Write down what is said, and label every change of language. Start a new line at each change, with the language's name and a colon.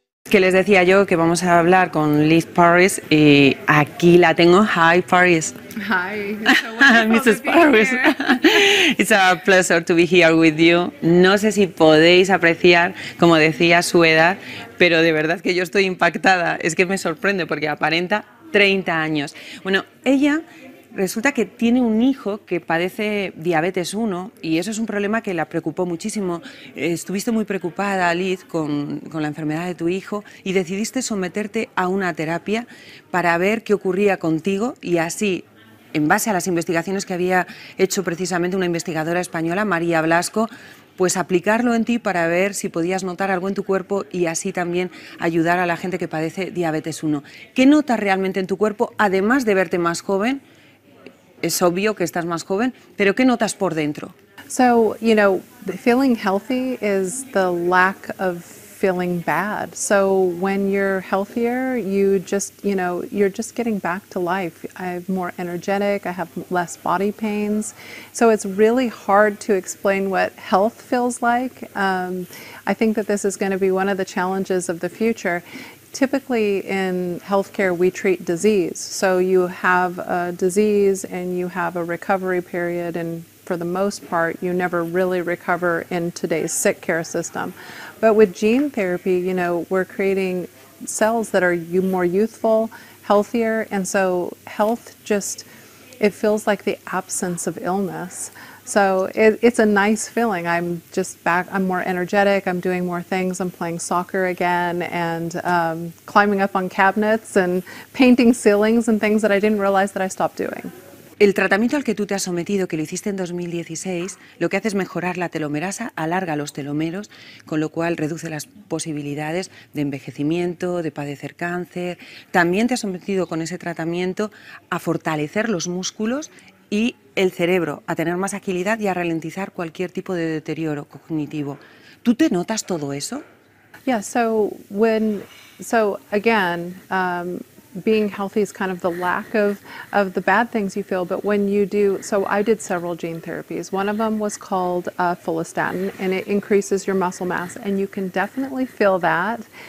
Spanish: Que les decía yo que vamos a hablar con Liz Parrish y aquí la tengo.
English: Hi, Parrish. Hi. Mrs. Parrish. It's a pleasure to be here with you.
Spanish: No sé si podéis apreciar, como decía, su edad, pero de verdad que yo estoy impactada. Es que me sorprende porque aparenta 30 años. Bueno, ella resulta que tiene un hijo que padece diabetes 1 y eso es un problema que la preocupó muchísimo. Estuviste muy preocupada, Liz, con la enfermedad de tu hijo y decidiste someterte a una terapia para ver qué ocurría contigo y así, en base a las investigaciones que había hecho precisamente una investigadora española, María Blasco, pues aplicarlo en ti para ver si podías notar algo en tu cuerpo y así también ayudar a la gente que padece diabetes 1. ¿Qué notas realmente en tu cuerpo, además de verte más joven? Es obvio que estás más joven, pero ¿qué notas por dentro?
English: So, you know, feeling healthy is the lack of feeling bad. So when you're healthier, you just, you know, you're just getting back to life. I'm more energetic, I have less body pains. So it's really hard to explain what health feels like. I think that this is going to be one of the challenges of the future. Typically in healthcare, we treat disease. So you have a disease and you have a recovery period. And for the most part, you never really recover in today's sick care system. But with gene therapy, you know, we're creating cells that are more youthful, healthier. And so health just, it feels like the absence of illness. So it's a nice feeling. I'm just back, I'm more energetic, I'm doing more things, I'm playing soccer again and climbing up on cabinets and painting ceilings and things that I didn't realize that I stopped doing.
Spanish: El tratamiento al que tú te has sometido, que lo hiciste en 2016, lo que hace es mejorar la telomerasa, alarga los telómeros, con lo cual reduce las posibilidades de envejecimiento, de padecer cáncer. También te has sometido con ese tratamiento a fortalecer los músculos y el cerebro, a tener más agilidad y a ralentizar cualquier tipo de deterioro cognitivo. ¿Tú te notas todo eso?
English: Yeah, so again, being healthy is kind of the lack of the bad things you feel, but when you do, so I did several gene therapies. One of them was called follistatin, and it increases your muscle mass, and you can definitely feel that.